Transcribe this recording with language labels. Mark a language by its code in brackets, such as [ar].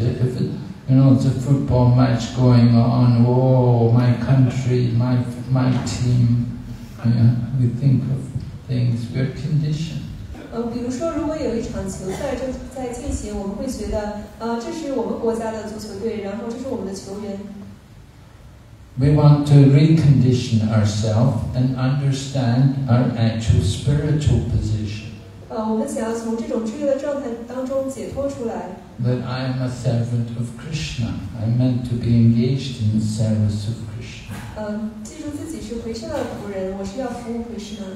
[en] If it, you know, it's a football match going on, whoa, my country, my team, yeah, we think of things. We're conditioned. [zh] 比如说如果有一场球赛正在进行，我们会觉得，这是我们国家的足球队，然后这是我们的球员。 [en] We want to recondition ourselves and understand our actual spiritual position. That I am a servant of Krishna. I am meant to be engaged in the service of Krishna.